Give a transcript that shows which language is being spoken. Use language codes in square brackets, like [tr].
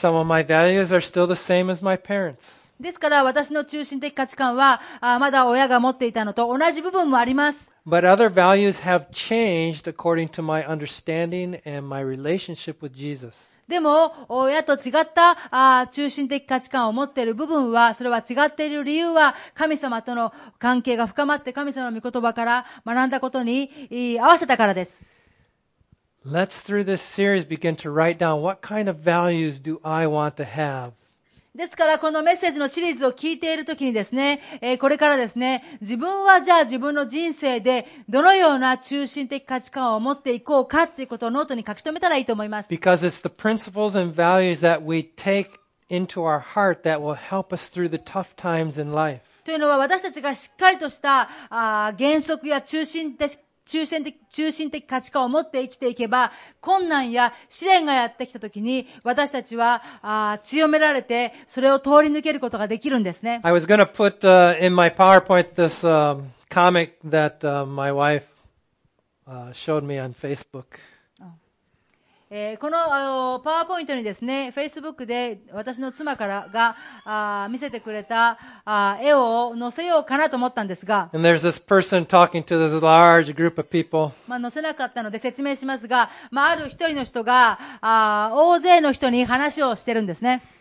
[en] Some of my values are still the same as my parents. [ja] ですから私の中心的価値観はまだ親が持っていたのと同じ部分もあります。 [en] But other values have changed according to my understanding and my relationship with Jesus. [ja] でも親と違った中心的価値観を持っている部分はそれは違っている理由は神様との関係が深まって神様の御言葉から学んだことに合わせたからです。 [en] Let's through this series begin to write down what kind of values do I want to have. [ja] ですからこのメッセージのシリーズを聞いているときにですね、これからですね、自分はじゃあ自分の人生でどのような中心的価値観を持っていこうかっていうことをノートに書き留めたらいいと思います。 [en] Because it's the principles and values that we take into our heart that will help us through the tough times in life. [ja] というのは私たちがしっかりとした原則や中心的価値観を持って生きていけば困難や試練がやってきたときに私たちは強められてそれを通り抜けることができるんですね。 [en] I was going to put in my PowerPoint this comic that my wife showed me on Facebook. [ja] この PowerPoint にですね、Facebook で私の妻からが見せてくれた絵を載せようかなと思ったんですが、 [en] And there's this person talking to this large group of people. [ja] まあ載せなかったので説明しますが、まあある一人の人が大勢の人に話をしてるんですね。